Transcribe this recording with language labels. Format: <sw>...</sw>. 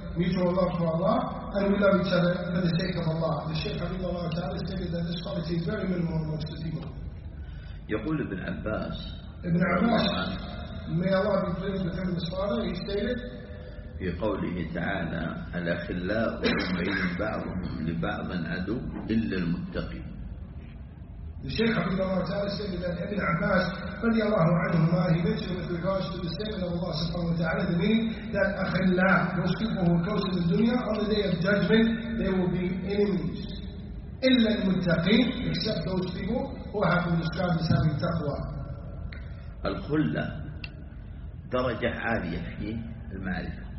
<en>mutual love for Allah, and we love each other for the sake of Allah. The Shaykh Habibullah Ta'ala stated that this quality is very minimal amongst the people.</en> <ar>يقول ابن عباس</ar> <en>ابن عباس may Allah be pleased with him, his father, he stated</en> <ar>في قوله تعالى الأخلاء يومئذ بعضهم لبعض عدو إلا المتقين.</ar> <en>The Shaykh Habibullah Ta'ala stated that Ibn Abbas</en> <ar>رضي الله عنهما,</ar> <en>he mentioned with regards to the statement of Allah subhanahu wa ta'ala, the meaning that أخلاء, those people who are close to the dunya, on the day of judgment they will be enemies.</en> <ar>إلا المتقين,</ar> <en>except those people who have been described as having taqwa.</en> <ar>الخلة درجة عالية في المعرفة.</ar>